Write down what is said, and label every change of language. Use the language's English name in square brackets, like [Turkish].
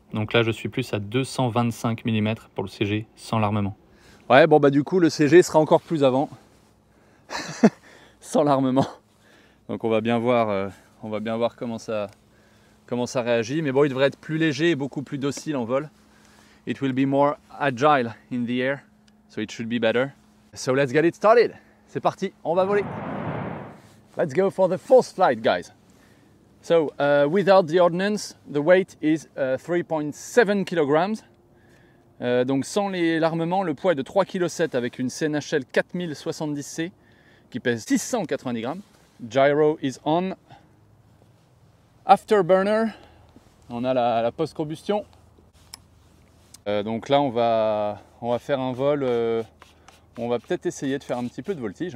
[French] Donc là, je suis plus à 225 mm pour le CG sans l'armement. Ouais, bon bah du coup, le CG sera encore plus avant. Sans l'armement. Donc on va bien voir comment ça réagit. Mais bon, il devrait être plus léger et beaucoup plus docile en vol. [English] It will be more agile in the air. So it should be better. So let's get it started. [French] C'est parti, on va voler. [English] Let's go for the fourth flight, guys. So without the ordnance, the weight is 3.7 kg. [French] Donc sans l'armement, le poids est de 3,7 kg avec une CNHL 4070C qui pèse 690 grammes. [English] Gyro is on. Afterburner, [French] on a la post-combustion. Donc là, on va faire un vol. On va peut-être essayer de faire un petit peu de voltige.